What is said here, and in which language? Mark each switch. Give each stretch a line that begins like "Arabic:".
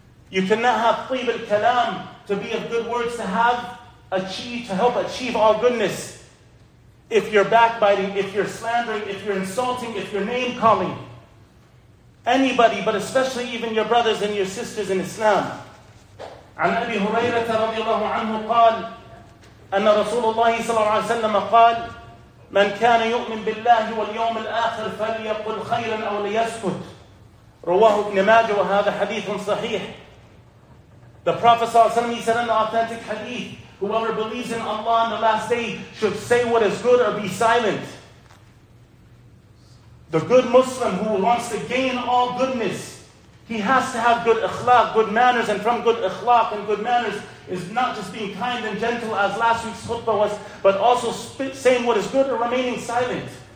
English: You cannot have tayyib al-kalam to be of good words to have achieved, to help achieve all goodness. If you're backbiting, if you're slandering, if you're insulting, if you're name calling. Anybody, but especially even your brothers and your sisters in Islam.
Arabic: عن أبي هريرة رضي الله عنه قال أن رسول الله صلى الله عليه وسلم قال من كان يؤمن بالله واليوم الآخر فليقل خيرا أو ليسكت رواه ابن ماجه وهذا حديث صحيح.
English: The Prophet
Arabic: صلى الله عليه وسلم,
English: he said in the authentic hadith, whoever believes in Allah on the last day should say what is good or be silent. The good Muslim who wants to gain all goodness, he has to have good akhlaq, good manners, and from good akhlaq and good manners is not just being kind and gentle as last week's khutbah was, but also saying what is good or remaining silent.